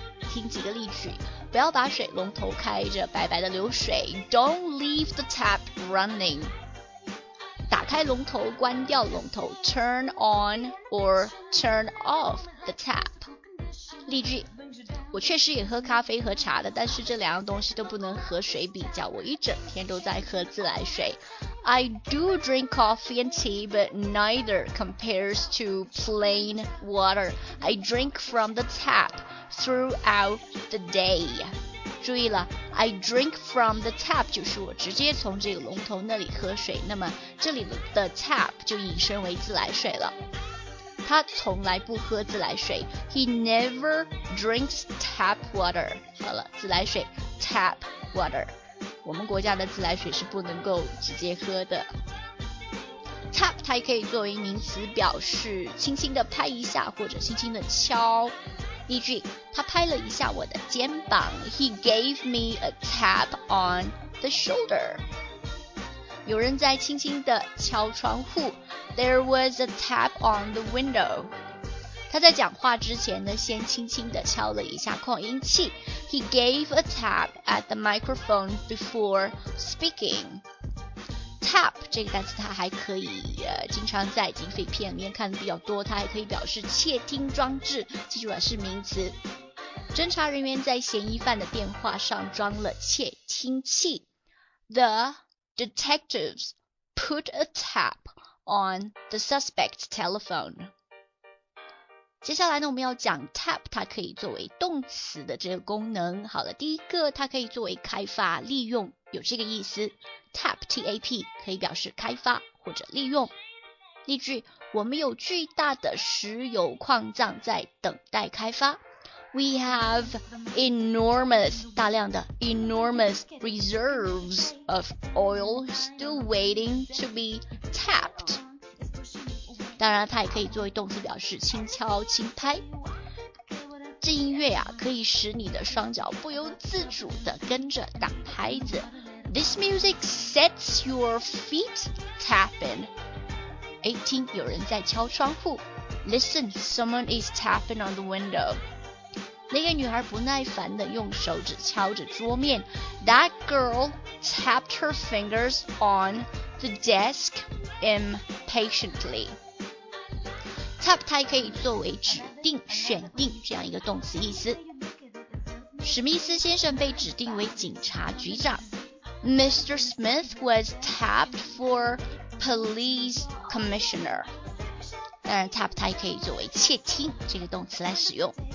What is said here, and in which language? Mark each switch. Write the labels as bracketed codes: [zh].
[zh] 听几个例句，不要把水龙头开着白白的流水， [en] don't leave the tap running。 [zh] 打开龙头，关掉龙头， [en] turn on or turn off the tap。 [zh] 例句，我确实也喝咖啡和茶的，但是这两样东西都不能和水比较，我一整天都在喝自来水。 [en] I do drink coffee and tea, but neither compares to plain water. I drink from the tap throughout the day. [zh] 注意了 ， [en] I drink from the tap [zh] 就是我直接从这个龙头那里喝水。那么这里的 tap 就引申为自来水了。他从来不喝自来水。 [en] He never drinks tap water. [zh] 好了，自来水 tap water. 我们国家的自来水是不能够直接喝的。Tap 它也可以作为名词，表示轻轻的拍一下或者轻轻的敲。例句，他拍了一下我的肩膀。 [en] He gave me a tap on the shoulder. [zh] 有人在轻轻的敲窗户。 [en] There was a tap on the window. [zh] 他在讲话之前呢，先轻轻地敲了一下扩音器。 [en] He gave a tap at the microphone before speaking. [zh] Tap 这个单词它还可以经常在警匪片里面看的比较多，它还可以表示窃听装置，记住了是名词。侦查人员在嫌疑犯的电话上装了窃听器。 [en] The detectives put a tap on the suspect's telephone. [zh] 接下来呢，我们要讲 tap 它可以作为动词的这个功能。好了，第一个它可以作为开发利用，有这个意思。 tap T-A-P 可以表示开发或者利用。例句，我们有巨大的石油矿藏在等待开发。 [en] We have enormous [zh] 大量的 [en] enormous reserves of oil still waiting to be tapped。 [zh] 当然它也可以作为动词表示轻敲轻拍。这音乐啊可以使你的双脚不由自主地跟着打拍子。 [en] This music sets your feet tapping. [zh] 诶，听有人在敲窗户。 [en] Listen, someone is tapping on the window. [zh] 那个女孩不耐烦地用手指敲着桌面。 [en] That girl tapped her fingers on the desk impatiently. [zh] Tap 它可以作为指定、选定这样一个动词意思。史密斯先生被指定为警察局长。 [en] Mr. Smith was tapped for police commissioner. [zh] 当然 ，tap 它可以作为窃听这个动词来使用。